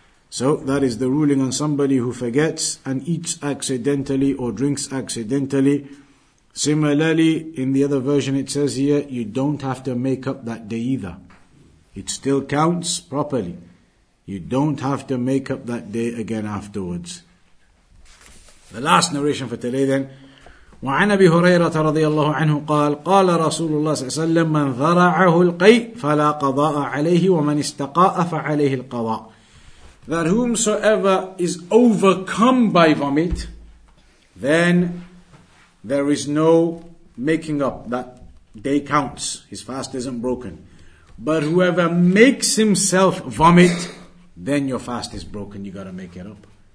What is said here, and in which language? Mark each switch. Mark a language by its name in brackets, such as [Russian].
[English] So that is the ruling on somebody who forgets and eats accidentally or drinks accidentally. Similarly, in the other version it says here, you don't have to make up that day either. It still counts properly. You don't have to make up that day again afterwards. The last narration for today then. [Arabic] وعن أبي هريرة رضي الله عنه قال قال رسول الله صلى الله عليه وسلم من ذرعه القيء فلا قضاء عليه ومن استقاء فعليه القضاء. [English] That whomsoever is overcome by vomit, then there is no making up. That day counts. His fast isn't broken. But whoever makes himself vomit, then your fast is broken. You got to make it up.